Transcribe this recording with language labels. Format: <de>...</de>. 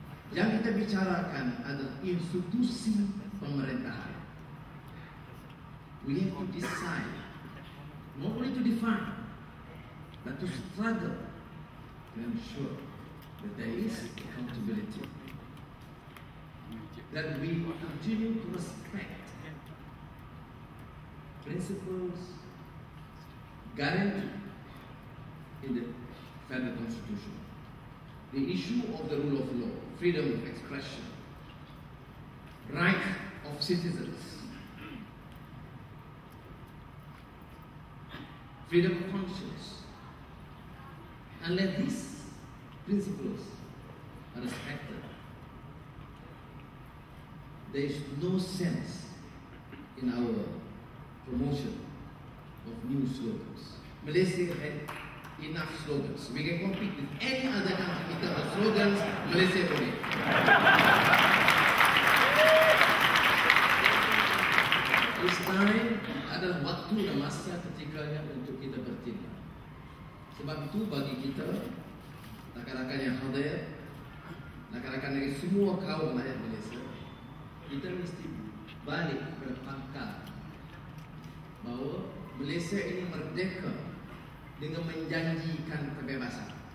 <ms>Yang kita bicarakan adalah institusi pemerintahan.</ms> <en>We have to decide, not only to define, but to struggle to ensure that there is accountability. That we continue to respect principles guaranteed in the federal constitution. The issue of the rule of law, freedom of expression, right of citizens, freedom of conscience, and let these principles are respected. There is no sense in our promotion of new slogans. Malaysia had enough slogans. We can compete with any other country with our slogans, Malaysia for me. This time</en> <ms>adalah waktu dan masa ketikanya untuk kita bertindak. Sebab itu bagi kita, rakan-rakan yang hadir, rakan-rakan dari semua kaum rakyat Malaysia, kita mesti balik ke pangkal bahawa Malaysia ini merdeka dengan menjanjikan kebebasan.</ms>